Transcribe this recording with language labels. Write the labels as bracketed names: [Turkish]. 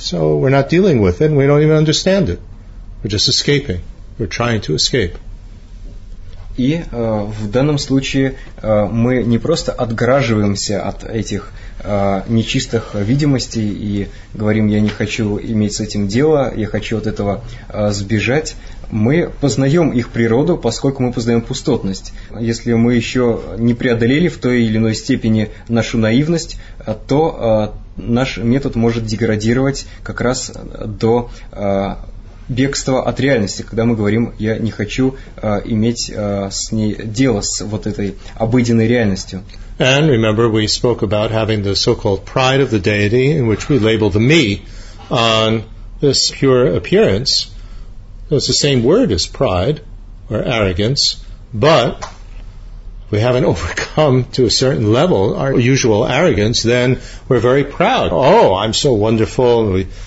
[English] So we're not dealing with it, and we don't even understand it. We're just escaping. We're trying to escape. [Russian] И в данном случае мы не просто отгораживаемся от этих нечистых видимостей и говорим, я не хочу иметь с этим дело, я хочу от этого сбежать. Мы познаем их природу, поскольку мы познаем пустотность. Если мы еще не преодолели в той или иной степени нашу наивность, то наш метод может деградировать как раз до бегства от реальности, когда мы говорим, я не хочу иметь с ней дело, с вот этой обыденной реальностью. [English] And remember, we spoke about having the so-called pride of the deity, in which we label the me on this pure appearance. So it's the same word as pride or arrogance, but we haven't overcome to a certain level our usual arrogance, then we're very proud. Oh, I'm so wonderful. We